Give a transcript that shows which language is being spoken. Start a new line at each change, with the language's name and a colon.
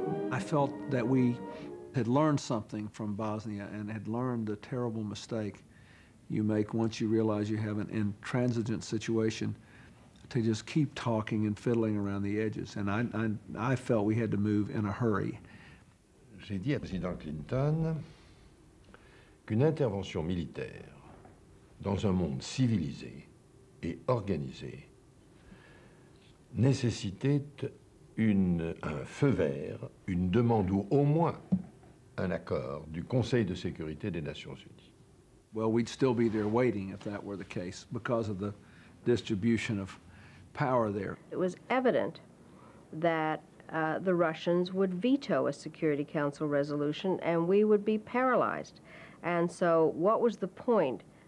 English: I felt that we had learned something from Bosnia and had learned the terrible mistake you make once you realize you have an intransigent situation to just keep talking and fiddling around the edges. And I felt we had to move in a hurry.
French: J'ai dit à President Clinton qu'une intervention militaire dans un monde civilisé et organisé nécessitait un feu vert, une demande ou au moins un accord du Conseil de sécurité des Nations Unies.
English: Well, we'd still be there waiting if that were the case because of the distribution of power there. It was evident that the Russians would veto a Security Council resolution and we would be paralyzed. And so what was the point